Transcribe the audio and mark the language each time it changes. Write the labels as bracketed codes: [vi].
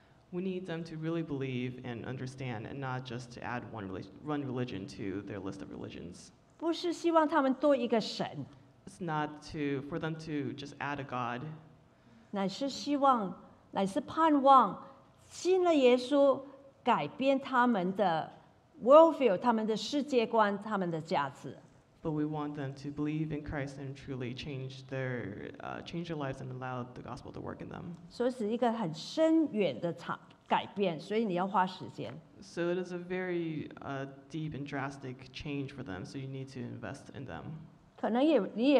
[en] We need them to really believe and understand, and not just to add one religion to their list of religions. [zh] 不是希望他们多一个神。 [en] It's not for them to just add a God. [zh] 乃是希望，乃是盼望，信了耶稣。改变他们的 worldview, 他们的世界观, 他们的价值。 [en] But we want them to believe in Christ and truly change their lives and allow the gospel to work in them. [zh] 所以是一个很深远的改变，所以你要花时间。 [en] So it is a very deep and drastic change for them, so you need to invest in them.